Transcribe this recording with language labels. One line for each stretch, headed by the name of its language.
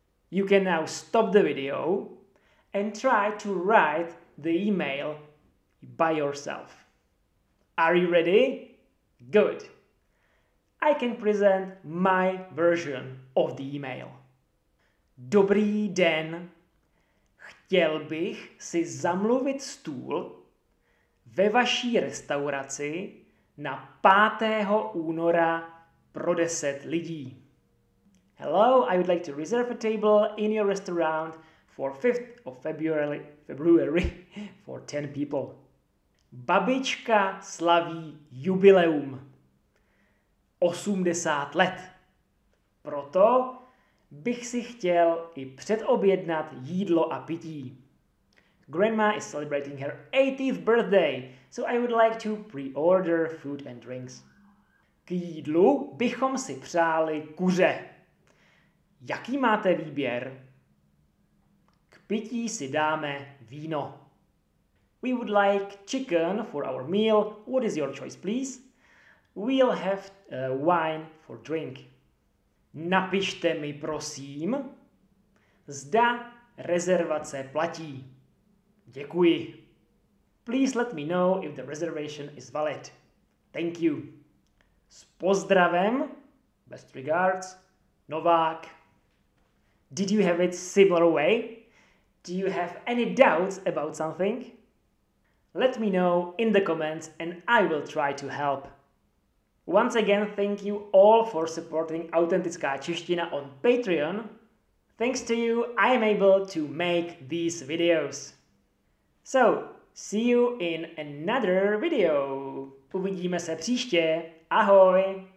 English: You can now stop the video and try to write the email by yourself. Are you ready? Good. I can present my version of the email.
Czech: Dobrý den. Chtěl bych si zamluvit stůl ve vaší restauraci na 5. února pro 10 lidí.
English: Hello, I would like to reserve a table in your restaurant for 5th of February for 10 people.
Czech: Babička slaví jubileum 80 let. Proto bych si chtěl i předobjednat jídlo a pití.
English: Grandma is celebrating her 80th birthday, so I would like to pre-order food and drinks.
Czech: K jídlu bychom si přáli kuře. Jaký máte výběr? K pití si dáme víno.
English: We would like chicken for our meal. What is your choice, please? We'll have wine for drink.
Czech: Napište mi, prosím, zda rezervace platí. Děkuji.
English: Please let me know if the reservation is valid. Thank you.
Czech: S pozdravem,
English: best regards, Novák. Did you have it similar way? Do you have any doubts about something? Let me know in the comments and I will try to help. Once again, thank you all for supporting Autentická Čeština on Patreon. Thanks to you, I am able to make these videos. So, see you in another video.
Czech: Uvidíme se příště. Ahoj!